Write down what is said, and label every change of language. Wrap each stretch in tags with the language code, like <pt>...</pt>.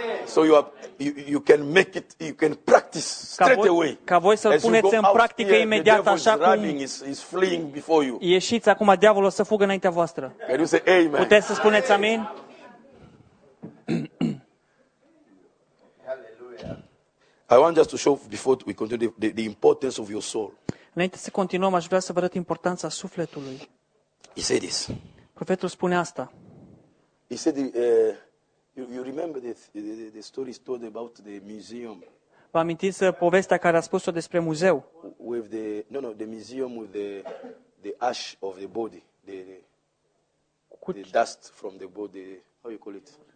<en>So you can make it, you can practice straight away.</en> <ro>Ca voi să-l puneți în practică imediat așa cum</ro> <en>is fleeing before you.</en> <ro>Ieșiți acum, diavolul să fugă înaintea voastră.</ro> <en>Can you say amen?</en> <ro>Puteți să spuneți amen?</ro> <en>I want just to show before we continue the importance of your soul.</en> <ro>Înainte să continuăm, aș vrea să vă arăt importanța sufletului.</ro> <en>He said this.</en> <ro>Profetul spune asta.</ro> <en>He said you remember the story told about the museum.</en> <ro>Vă amintiți povestea care a spus-o despre muzeu?</ro> <en>With the no the museum with the ash of the body, the dust from the body, how you call it?</en>